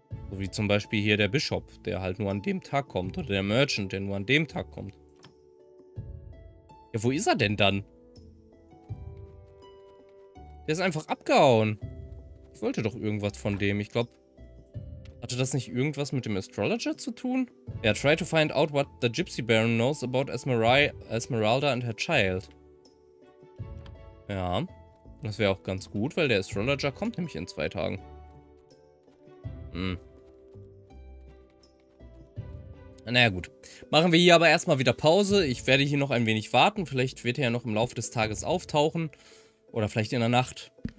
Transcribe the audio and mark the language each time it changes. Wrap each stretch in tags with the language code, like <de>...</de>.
<de>So wie zum Beispiel hier der Bischof, der halt nur an dem Tag kommt. Oder der Merchant, der nur an dem Tag kommt. Ja, wo ist er denn dann? Der ist einfach abgehauen. Ich wollte doch irgendwas von dem. Ich glaube, hatte das nicht irgendwas mit dem Astrologer zu tun?</de> <en>Yeah, try to find out what the Gypsy Baron knows about Esmeralda and her child.</en> <de>Ja, das wäre auch ganz gut, weil der Astrologer kommt nämlich in 2 Tagen. Naja gut, machen wir hier aber erstmal wieder Pause. Ich werde hier noch ein wenig warten. Vielleicht wird er ja noch im Laufe des Tages auftauchen. Oder vielleicht in der Nacht.</de>